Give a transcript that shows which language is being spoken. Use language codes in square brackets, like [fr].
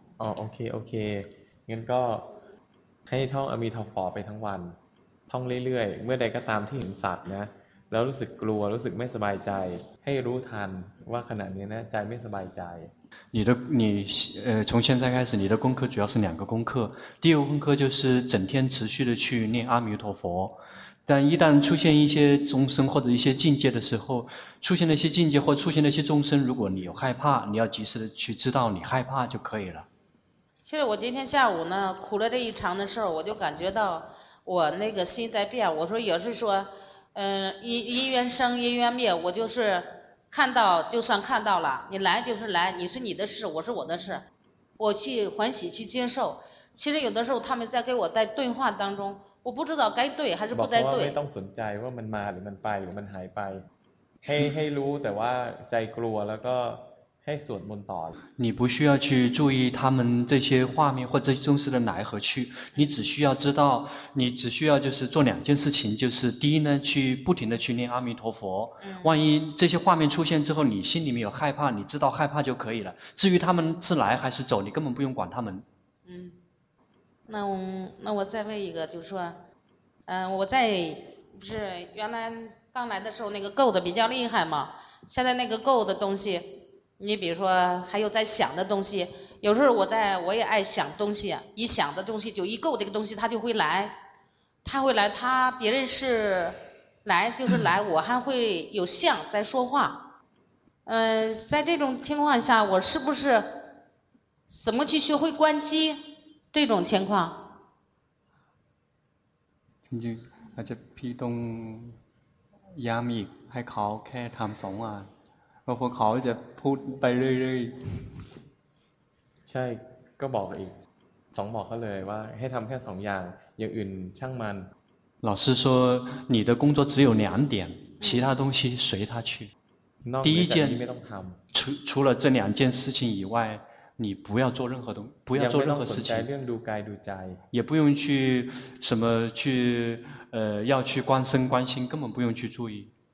[th] อ๋อโอเคโอเคงั้นก็ให้ท่องอามีทอฟอไปทั้งวันท่องเรื่อยๆเมื่อใดก็ตามที่เห็นสัตว์นะแล้วรู้สึกกลัวรู้สึกไม่สบายใจให้รู้ทันว่าขณะนี้นะใจไม่สบายใจ [zh] 你的你从现在开始你的功课主要是两个功课，第一个功课就是整天持续的去念阿弥陀佛，但一旦出现一些众生或者一些境界的时候，出现了一些境界或出现了一些众生，如果你有害怕，你要及时的去知道你害怕就可以了。其实我今天下午呢苦了这一场的事儿，我就感觉到我那个心在变，我说也是说因缘生因缘灭，我就是看到就算看到了，你来就是来，你是你的事，我是我的事，我去欢喜去接受。其实有的时候他们在给我在对话当中，我不知道该对还是不该对。 [th] ไม่ต้องสนใจว่ามันมาหรือมันไปหรือมันหายไปให้รู้แต่ว่าใจกลัวแล้วก็ให้สวดมนต์ต่ [zh] อ你不需要去注意他们这些画面或这些东西的来和去，你只需要就是做两件事情，就是第一呢，去不停的去念阿弥陀佛。万一这些画面出现之后，你心里面有害怕，你知道害怕就可以了。至于他们是来还是走，你根本不用管他们。那我再问一个，就是说，我在不是原来刚来的时候那个垢的比较厉害嘛，现在那个垢的东西，你比如说还有在想的东西，有时候我也爱想东西，一想的东西就一垢这个东西它就会来，它会来，它别人是来就是来，我还会有相在说话，在这种情况下，我是不是怎么去学会关机？这种情况， [th] จริงจริงอาจจะพี่ต้องย้ำอีกให้เขาแค่ทำสองอันเพราะพวกเขาจะพูดไปเรื่อยๆ ใช่ก็บอกอีกสองบอกเขาเลยว่าให้ทำแค่สองอย่างอย่างอื่นช่างมัน [zh] 老师说你的工作只有两点，其他东西随他去。第一件 [th] ไม่ต้องทำ [zh] 除了这两件事情以外。你不要做任何东西，不要做任何事情，也不用去什么去要去观身观心，根本不用去注意。